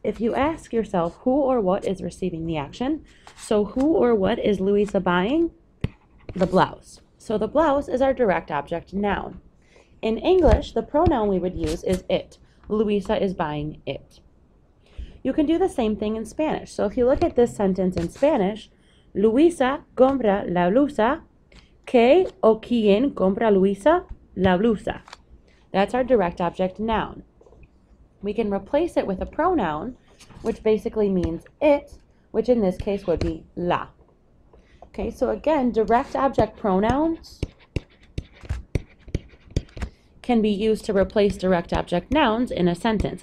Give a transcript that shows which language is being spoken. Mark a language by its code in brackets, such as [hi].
[en] If you ask yourself who or what is receiving the action, so who or what is Luisa buying? The blouse. So the blouse is our direct object noun. In English, the pronoun we would use is it. Luisa is buying it. You can do the same thing in Spanish. So if you look at this sentence in Spanish, [es] Luisa compra la blusa. ¿Qué o quién compra Luisa la blusa? [en] That's our direct object noun. We can replace it with a pronoun, which basically means it, which in this case would be la. Okay, so again, direct object pronouns can be used to replace direct object nouns in a sentence.